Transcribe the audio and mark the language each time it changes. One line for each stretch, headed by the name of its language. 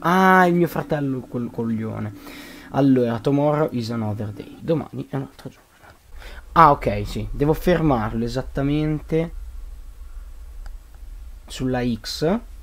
Italian: Ah, il mio fratello, quel coglione. Allora,
English: tomorrow is another day.
Italian: Domani è un altro giorno. Ah, ok, sì. Devo fermarlo esattamente sulla X.